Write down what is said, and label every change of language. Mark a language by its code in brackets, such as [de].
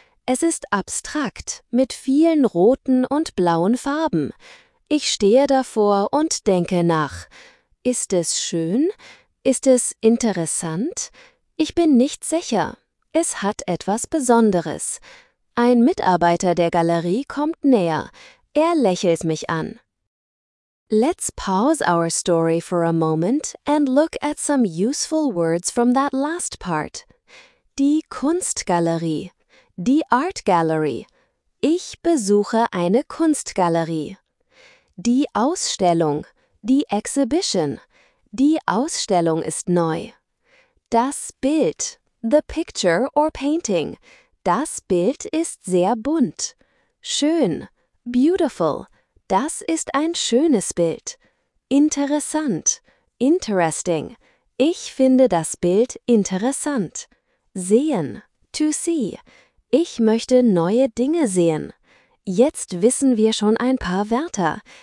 [de] Es ist abstrakt, mit vielen roten und blauen Farben. Ich stehe davor und denke nach. Ist es schön? Ist es interessant? Ich bin nicht sicher. Es hat etwas Besonderes. Ein Mitarbeiter der Galerie kommt näher. Er lächelt mich an. [en] Let's pause our story for a moment and look at some useful words from that last part. [de] Die Kunstgalerie. Die [en] Art Gallery. [de] Ich besuche eine Kunstgalerie. Die Ausstellung. Die [en] Exhibition. [de] Die Ausstellung ist neu. Das Bild. [en] The picture or painting. [de] Das Bild ist sehr bunt. Schön. [en] Beautiful. [de] Das ist ein schönes Bild. Interessant. [en] Interesting. [de] Ich finde das Bild interessant. Sehen. [en] To see. [de] Ich möchte neue Dinge sehen. Jetzt wissen wir schon ein paar Wörter.